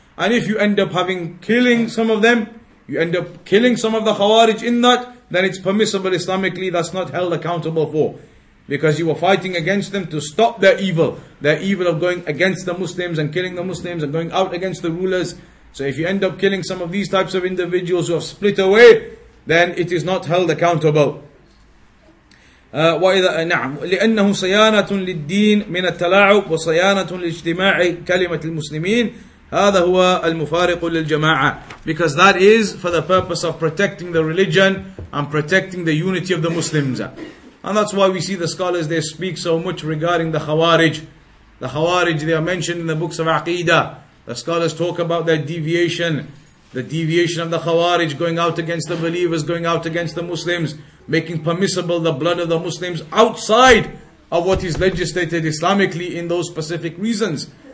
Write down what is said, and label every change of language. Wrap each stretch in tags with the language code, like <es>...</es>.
<en>And if you end up killing some of the Khawarij in that, then it's permissible Islamically, that's not held accountable for. Because you were fighting against them to stop their evil of going against the Muslims and killing the Muslims and going out against the rulers. So if you end up killing some of these types of individuals who have split away, then it is not held accountable.</en> <ar>وإذا نعم لأنه صيانة للدين من التلاعب وصيانة لاجتماع كلمة المسلمين هذا هو المفارق للجماعة.</ar> <en>Because that is for the purpose of protecting the religion and protecting the unity of the Muslims. And that's why we see the scholars, they speak so much regarding the Khawarij. The Khawarij, they are mentioned in the books of Aqidah. The scholars talk about their deviation, the deviation of the Khawarij, going out against the believers, going out against the Muslims, making permissible the blood of the Muslims outside of what is legislated Islamically in those specific reasons.</en>